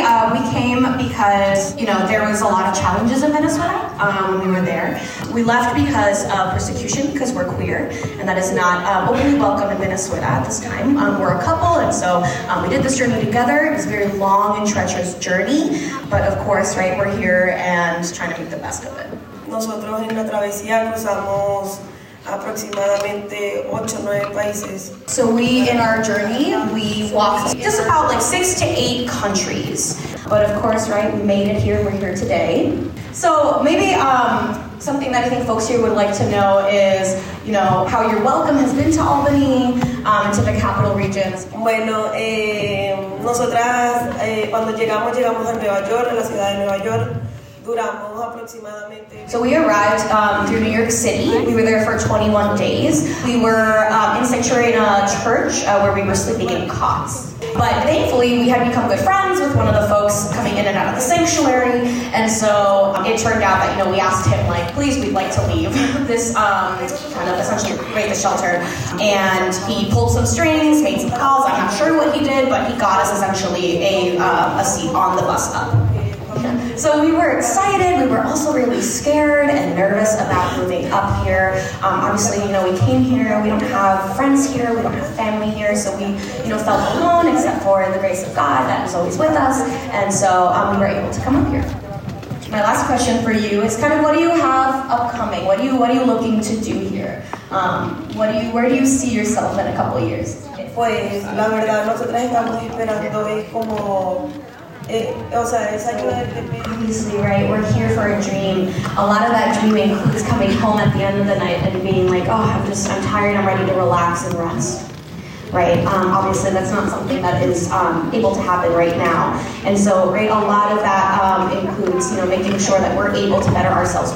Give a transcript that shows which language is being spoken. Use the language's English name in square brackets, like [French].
[English] We came because, you know, there was a lot of challenges in Venezuela when we were there. We left because of persecution, because we're queer, and that is not openly welcome in Venezuela at this time. We're a couple, and so we did this journey together. It was a very long and treacherous journey, but of course, right, we're here and trying to make the best of it. [Spanish] Nosotros en la travesía cruzamos aproximadamente 8 o 9 países. [English] So we, in our journey, we walked just about like 6 to 8 countries. But of course, right, we made it here and we're here today. So maybe something that I think folks here would like to know is, you know, how your welcome has been to Albany, to the capital regions. [Spanish] Bueno, nosotras cuando llegamos a Nueva York, a la ciudad de Nueva York. [English] So we arrived through New York City. We were there for 21 days. We were in sanctuary in a church where we were sleeping in cots. But thankfully, we had become good friends with one of the folks coming in and out of the sanctuary. And so it turned out that, you know, we asked him, like, please, we'd like to leave this kind of essentially raid the shelter. And he pulled some strings, made some calls. I'm not sure what he did, but he got us essentially a seat on the bus up. So we were excited, we were also really scared and nervous about moving up here. Obviously, you know, we came here, we don't have friends here, we don't have family here, so we, you know, felt alone except for the grace of God that is always with us, and so we were able to come up here. My last question for you is kind of, what do you have upcoming? What are you looking to do here? Where do you see yourself in a couple of years? [Spanish] Pues, la verdad, nosotros estamos esperando es como... [English] Obviously, right, we're here for a dream. A lot of that dream includes coming home at the end of the night and being like, oh, I'm tired, I'm ready to relax and rest, right? Obviously, that's not something that is able to happen right now. And so, right, a lot of that includes, you know, making sure that we're able to better ourselves.